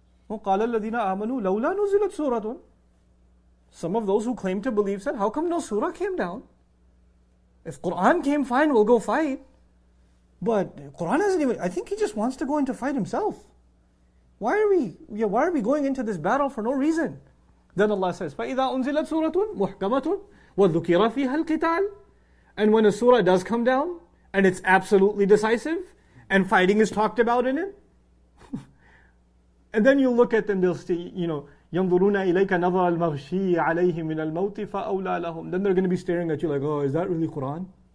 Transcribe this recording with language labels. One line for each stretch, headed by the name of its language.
Arabic: وَقَالَ الَّذِينَ آمَنُوا لَوْلَا نُزِلَتْ سُورَةٌ.
English: Some of those who claim to believe said, how come no surah came down? If Quran came, fine, we'll go fight. But Quran hasn't even, I think he just wants to go into fight himself. Why are we going into this battle for no reason? Then Allah says,
Arabic: فَإِذَا أُنزِلَتْ سُورَةٌ مُحْكَمَةٌ وَذُكِرَ فِيهَا الْقِتَالِ.
English: And when a surah does come down, and it's absolutely decisive, and fighting is talked about in it, and then you look at them, they'll see, you know,
Arabic: يَنْظُرُونَ إِلَيْكَ نَظَرَ الْمَغْشِي عَلَيْهِ مِنَ الْمَوْتِ فَأَوْلَى لَهُمْ.
English: Then they're going to be staring at you like, oh, is that really Quran?